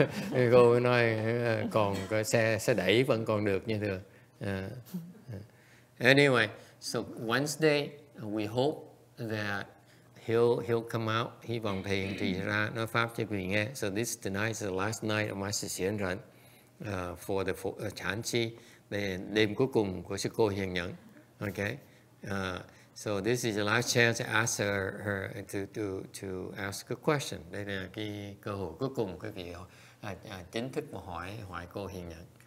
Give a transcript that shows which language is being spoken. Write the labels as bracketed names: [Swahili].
[Vietnamese] Sư cô mới nói, còn cái xe đẩy vẫn còn được như thường. [English] Anyway, so Wednesday, we hope that he'll come out. [Vietnamese] Hy vọng thầy hiện trì ra nói pháp cho quý vị nghe. [English] So this tonight is the last night of my session run for the Chan Chi. [Vietnamese] Đêm cuối cùng của sư cô hiện nhẫn. [English] Okay. So this is the last chance to ask her to ask a question. [Vietnamese] Đây là cái cơ hội cuối cùng quý vị chính thức mà hỏi cô hiện nhẫn.